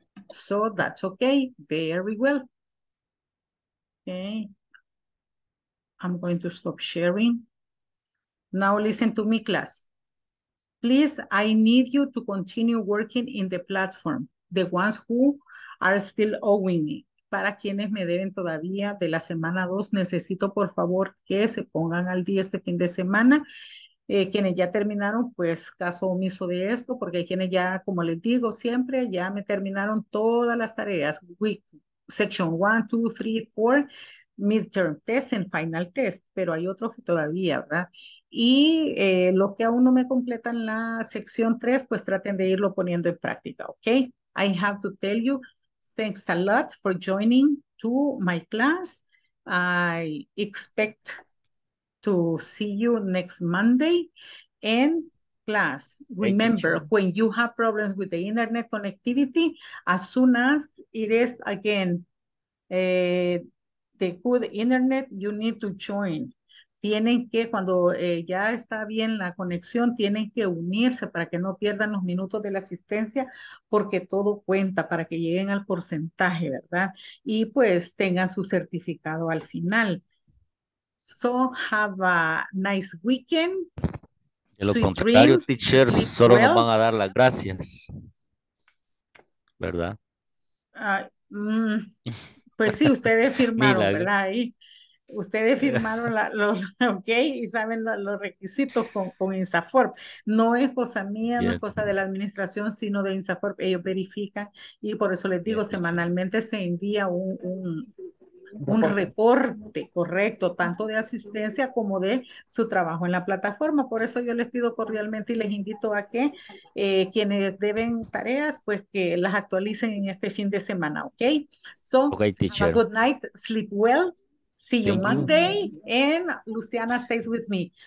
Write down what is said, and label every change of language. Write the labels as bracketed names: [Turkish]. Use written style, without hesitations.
[English] So that's okay. Very well. Okay. I'm going to stop sharing. Now listen to me, class. Please, I need you to continue working in the platform. The ones who are still owing me. [Spanish] Para quienes me deben todavía de la semana 2, necesito por favor que se pongan al día este fin de semana. Quienes ya terminaron, pues caso omiso de esto, porque hay quienes ya, como les digo siempre, ya me terminaron todas las tareas. [English] Week, section 1, 2, 3, 4, midterm test and final test. [Spanish] Pero hay otros que todavía, ¿verdad? Y los que aún no me completan la sección 3, pues traten de irlo poniendo en práctica, ¿ok? [English] I have to tell you, thanks a lot for joining to my class. I expect to see you next Monday. And class, remember, when you have problems with the internet connectivity, as soon as it is again the good internet, you need to join. [Spanish] Tienen que, cuando ya está bien la conexión, tienen que unirse para que no pierdan los minutos de la asistencia, porque todo cuenta para que lleguen al porcentaje, ¿verdad? Y pues tengan su certificado al final. [English] So, have a nice weekend. [Spanish] De lo contrario, teacher, solo nos van a dar las gracias. ¿Verdad? Pues sí, ustedes firmaron, ¿verdad? Ahí. Ustedes firmaron ok, y saben los requisitos con INSAFORP. No es cosa mía, no es cosa de la administración, sino de INSAFORP. Ellos verifican y por eso les digo, semanalmente se envía un reporte correcto, tanto de asistencia como de su trabajo en la plataforma. Por eso yo les pido cordialmente y les invito a que quienes deben tareas, pues que las actualicen en este fin de semana, ¿ok? [English] So, okay, teacher. Good night, sleep well. See you Monday, and Luciana stays with me.